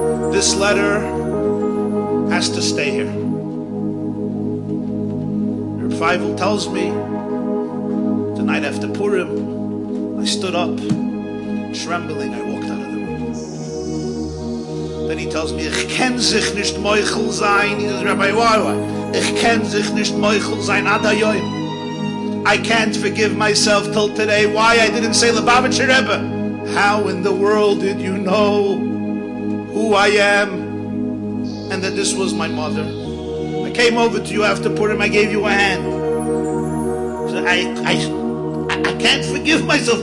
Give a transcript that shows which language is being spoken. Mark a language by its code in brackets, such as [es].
[en] This letter has to stay here. Reb Feivel tells me the night after Purim, I stood up, trembling, I walked out of the room. Then he tells me, [yi] Ich ken sich nicht meuchel sein. [en] He says, Rabbi, why? [yi] Ich ken sich nicht meuchel sein ad hayom. [en] I can't forgive myself till today why I didn't say Lubavitcher Rebbe. How in the world did you know who I am and that this was my mother? I came over to you after Purim, I gave you a hand. So I can't forgive myself.